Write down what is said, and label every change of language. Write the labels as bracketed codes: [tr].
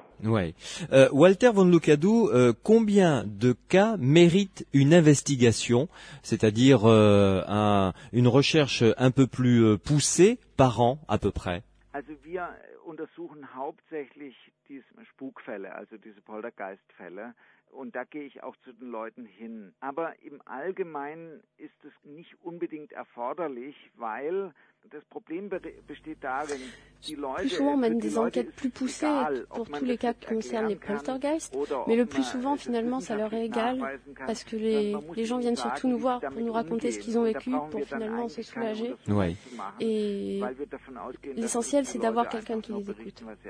[fr] Walter von Lucadou, combien de cas méritent une investigation, c'est-à-dire une recherche un peu plus poussée par an à peu près? [de] Untersuchen hauptsächlich diese Spukfälle, also diese Poltergeistfälle. Und da gehe ich auch zu den Leuten hin. Aber im Allgemeinen ist es nicht unbedingt erforderlich, weil das Problem besteht darin, die Leute. [fr] Plus souvent, on mène des enquêtes plus poussées pour tous les cas qui concernent les Poltergeists. Mais le plus souvent, finalement, ça leur est égal, parce que les gens viennent surtout nous voir pour nous raconter ce qu'ils ont vécu, pour finalement se soulager. Ouais. Et l'essentiel, c'est d'avoir quelqu'un qui les écoute.